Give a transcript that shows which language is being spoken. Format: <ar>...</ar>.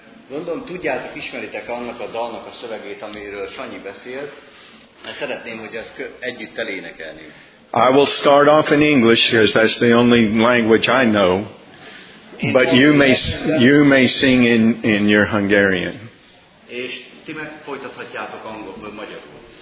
<hu>Gondolom, tudjátok, ismeritek annak a dalnak a szövegét, amiről Sanyi beszélt, mert szeretném, hogy ezt együtt elénekelnünk.</hu> <en>I will start off in English, because that's the only language I know, but you may sing in your Hungarian.</en> <hu>És ti meg folytathatjátok angolul, magyarul.</hu>